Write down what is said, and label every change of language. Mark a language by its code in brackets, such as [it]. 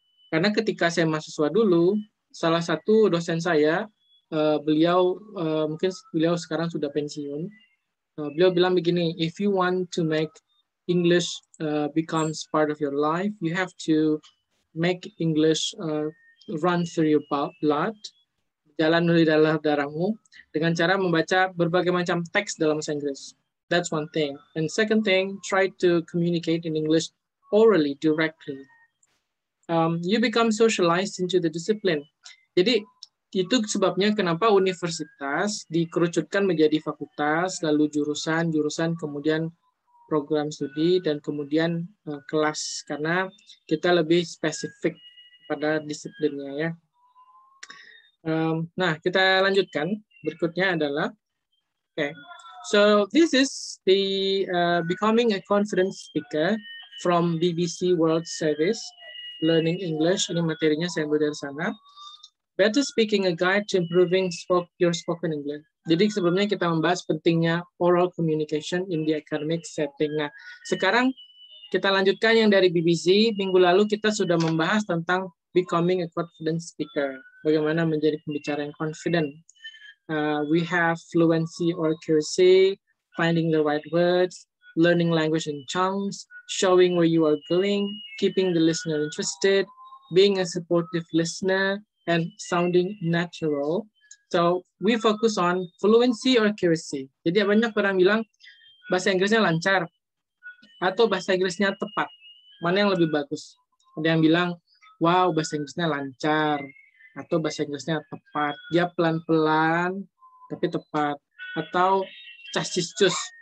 [id] Karena ketika saya mahasiswa dulu, salah satu dosen saya, beliau sekarang sudah pensiun, beliau bilang begini, [en] if you want to make English becomes part of your life, you have to make English run through your blood, [id] jalan dari dalam darahmu, dengan cara membaca berbagai macam teks dalam bahasa Inggris. [en] That's one thing. And second thing, try to communicate in English orally, directly. You become socialized into the discipline. [id] Jadi, itu sebabnya kenapa universitas dikerucutkan menjadi fakultas, lalu jurusan-jurusan, kemudian program studi, dan kemudian kelas. Karena kita lebih spesifik pada disiplinnya ya. Nah, kita lanjutkan. Berikutnya adalah, okay. [en] So this is the becoming a confident speaker from BBC World Service, Learning English. [id] Ini materinya saya ambil dari sana. [en] Better speaking, a guide to improving your spoken English. [id] Jadi sebelumnya kita membahas pentingnya [en] oral communication in the academic setting. [id] Nah, sekarang kita lanjutkan yang dari BBC. Minggu lalu kita sudah membahas tentang becoming a confident speaker. Bagaimana menjadi pembicara yang confident. [en] We have fluency or accuracy, finding the right words, learning language in chunks, showing where you are going, keeping the listener interested, being a supportive listener, and sounding natural. So we focus on fluency or accuracy. [id] Jadi banyak orang bilang bahasa Inggrisnya lancar atau bahasa Inggrisnya tepat. Mana yang lebih bagus? Ada yang bilang, wow, bahasa Inggrisnya lancar atau bahasa Inggrisnya tepat. Dia pelan-pelan tapi tepat. Atau cus-cus.